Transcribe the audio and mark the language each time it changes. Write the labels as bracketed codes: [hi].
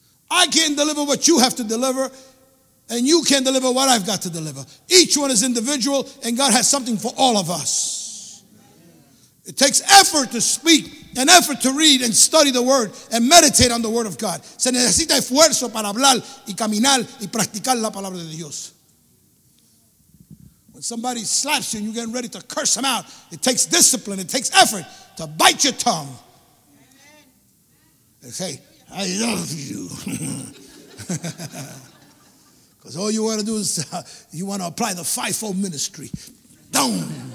[en] I can't deliver what you have to deliver, and you can't deliver what I've got to deliver. Each one is individual, and God has something for all of us. It takes effort to speak, an effort to read and study the word and meditate on the word of God. [es] Se necesita esfuerzo para hablar y caminar y practicar la palabra de Dios. [en] When somebody slaps you and you're getting ready to curse them out, it takes discipline, it takes effort to bite your tongue. And say, I love you. Because all you want to do is, you want to apply the fivefold ministry. Boom.